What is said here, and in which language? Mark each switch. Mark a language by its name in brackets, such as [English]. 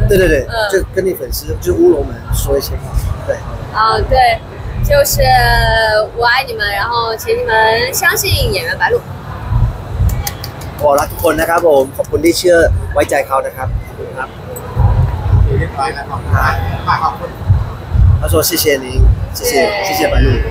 [Chinese] 对对对，就跟你粉丝，就乌龙们说一些话。对。对，就是我爱你们，然后请你们相信演员白鹿。我拉 [Thai] ทุกคนนะครับผม ขอบคุณที่เชื่อไว้ใจเขานะครับ ครับ เรียบร้อยแล้วครับ ขอบคุณ เขาบอก [Chinese] 谢谢您，谢谢谢谢白鹿。